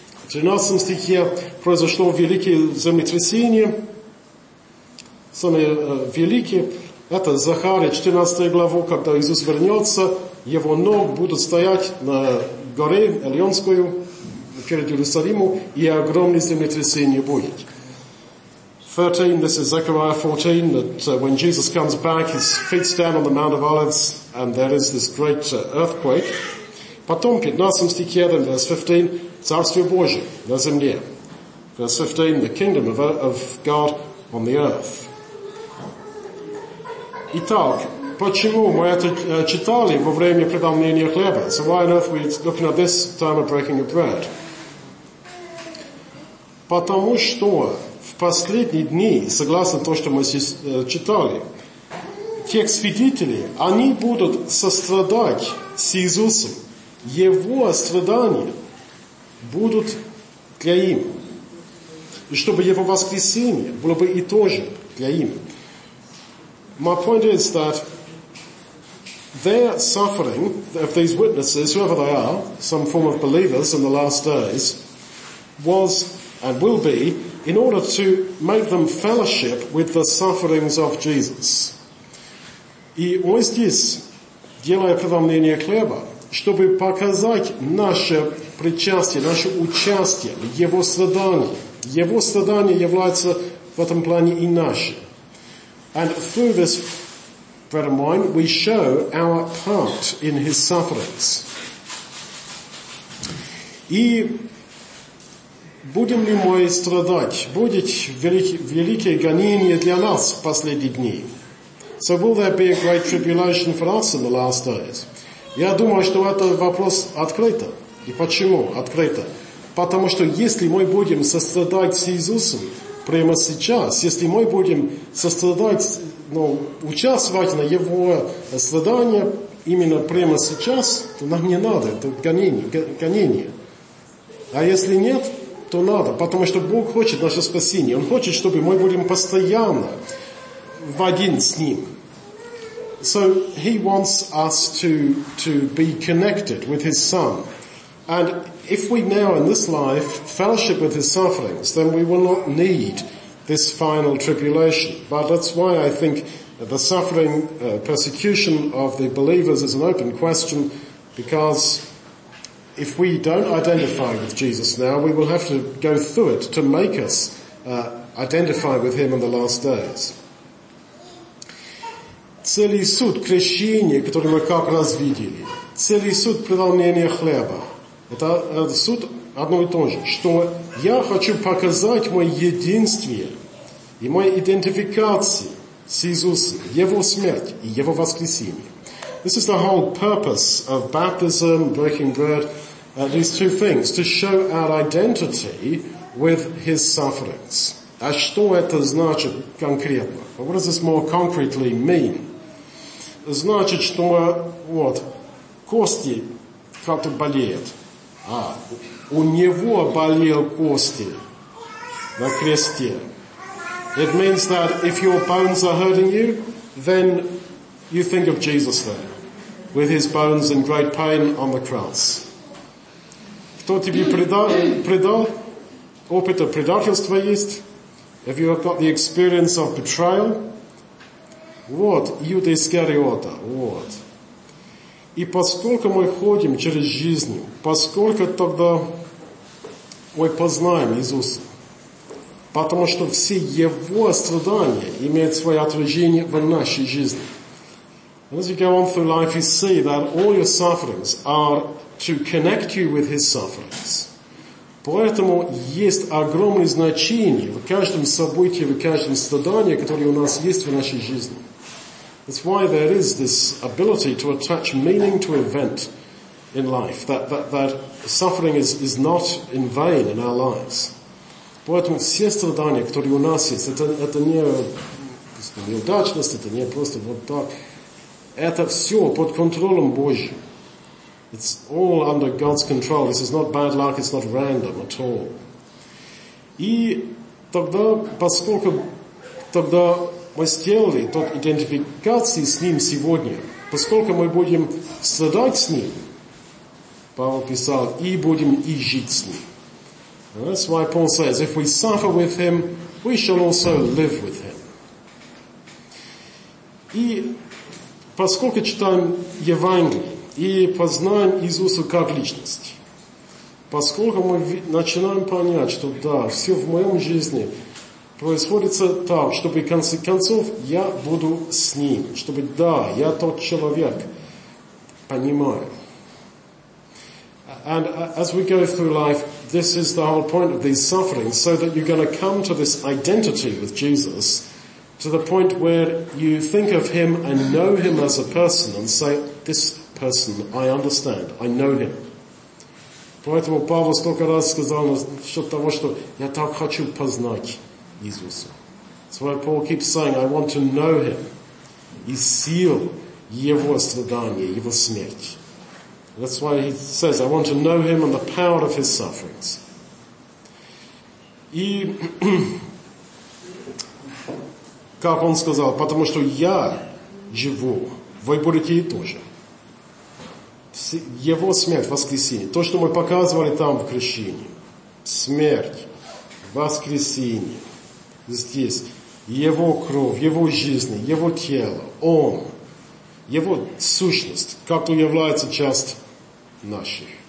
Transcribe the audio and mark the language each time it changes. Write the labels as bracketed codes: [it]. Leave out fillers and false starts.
[ru] 13 стихе произошло великое землетрясение. Самое великое, это Захария 14 главу, когда Иисус вернется, его ноги будут стоять на горе Елеонской перед Иерусалимом, и огромное землетрясение будет. [en] 13, this is Zechariah 14, that when Jesus comes back, his feet stand on the Mount of Olives, and there is this great earthquake. [ru] Потом, 15 стихе, [en] then verse 15, [ru] Царствие Божие на земле. [en] Verse 15, the kingdom of God on the earth. [ru] Итак, почему мы это читали во время преломления хлеба? [en] So why on earth are we looking at this time of breaking of bread? [ru] Потому что последние дни, согласно то, что мы читали, те свидетели, они будут сострадать с Иисусом. Его страдания будут для им. И чтобы его воскресение было бы и тоже для им. [en] My point is that their suffering, of these witnesses, whoever they are, some form of believers in the last days, was and will be in order to make them fellowship with the sufferings of Jesus. [ru] И он здесь, делая преломление хлеба, чтобы показать наше причастие, наше участие в его страдании. Его страдания являются в этом плане и наши. [en] And through this bread and wine, we show our part in his sufferings. [ru] И будем ли мы страдать? Будет великое гонение для нас в последние дни? [en] So will there be a great tribulation for us in the last days? [ru] Я думаю, что это вопрос открыто. И почему открыто? Потому что если мы будем сострадать с Иисусом прямо сейчас, если мы будем сострадать, ну, участвовать на Его страдания именно прямо сейчас, то нам не надо это гонение. А если нет, то надо, потому что Бог хочет наше спасение. Он хочет, чтобы мы были постоянно в один с Ним. [en] So He wants us to be connected with His Son. And if we now in this life fellowship with His sufferings, then we will not need this final tribulation. But that's why I think the suffering, persecution of the believers is an open question, because if we don't identify with Jesus now, we will have to go through it to make us identify with Him in the last days. [ru] Целый суд крещения, который мы как раз видели, целый суд преломления хлеба, это суд одно и то же, что я хочу показать мое единство и мою идентификацию с Иисусом, Его смерть и Его воскресение. [en] This is the whole purpose of baptism, breaking bread, these two things, to show our identity with his sufferings. [ru] А что это значит конкретно? [en] What does this more concretely mean? [ru] Значит, что вот кости как-то болеют. А у него болели кости на кресте. [en] It means that if your bones are hurting you, then you think of Jesus there, with his bones in great pain on the cross. [ru] Кто тебе предал, опыта предательства есть, [en] if you have got the experience of betrayal, [ru] вот Юда Искариота, вот. И поскольку мы ходим через жизнь, поскольку тогда мы познаем Иисуса, потому что все Его страдания имеют свое отражение в нашей жизни. [en] As you go on through life, you see that all your sufferings are to connect you with His sufferings. [ru] Поэтому есть огромное значение в каждом событии, в каждом страдании, которое у нас есть в нашей жизни. [en] That's why there is this ability to attach meaning to event in life, that suffering is not in vain in our lives. [ru] Поэтому все страдания, которые у нас есть, это не неудачность, это не просто вот так. Это все под контролем Божьим. [en] It's all under God's control. This is not bad luck, it's not random at all. [ru] И тогда, поскольку тогда мы сделали тот идентификации с Ним сегодня, поскольку мы будем страдать с Ним, Павел писал, и будем и жить с Ним. [en] And that's why Paul says, if we suffer with Him, we shall also live with Him. [ru] И поскольку читаем Евангелие и познаем Иисуса как личность, поскольку мы начинаем понять, что да, все в моем жизни происходит так, чтобы в конце концов я буду с Ним, чтобы да, я тот человек, понимаю. [en] And as we go through life, this is the whole point of these sufferings, so that you're going to come to this identity with Jesus, to the point where you think of Him and know Him as a person and say, this person, I understand, I know Him. [ru] Поэтому Павел столько раз сказал насчет того, что я так хочу познать Иисуса. [en] That's why Paul keeps saying, I want to know Him. [ru] И сил Его страдания, Его смерть. [en] That's why he says, I want to know Him and the power of His sufferings. [ru] И как он сказал, потому что я живу, вы будете и тоже. Его смерть, воскресение, то, что мы показывали там в крещении, смерть, воскресение, здесь, Его кровь, Его жизнь, Его тело, Он, Его сущность, как-то является часть нашей.